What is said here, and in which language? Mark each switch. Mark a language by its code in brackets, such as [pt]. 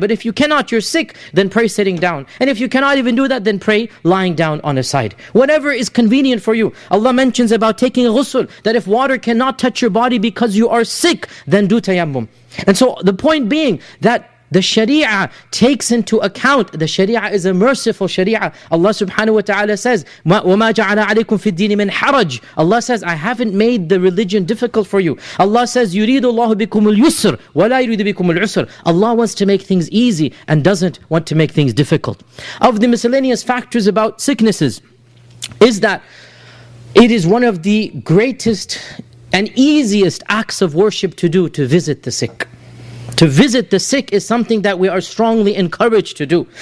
[en] But if you cannot, you're sick, then pray sitting down. And if you cannot even do that, then pray lying down on a side. Whatever is convenient for you. Allah mentions about taking ghusl, that if water cannot touch your body because you are sick, then do tayammum. And so the point being that the Sharia takes into account, the Sharia is a merciful Sharia. [ar] Allah subhanahu wa ta'ala says, وَمَا جَعَلَ عَلَيْكُمْ فِي الدِّينِ مِنْ حَرَجٍ. [en] Allah says, I haven't made the religion difficult for you. [ar] Allah says, يُرِيدُ اللَّهُ بِكُمُ الْيُسْرِ وَلَا يُرِيدُ بِكُمُ الْعُسْرِ. [en] Allah wants to make things easy and doesn't want to make things difficult. Of the miscellaneous factors about sicknesses, is that it is one of the greatest and easiest acts of worship to do, to visit the sick. To visit the sick is something that we are strongly encouraged to do.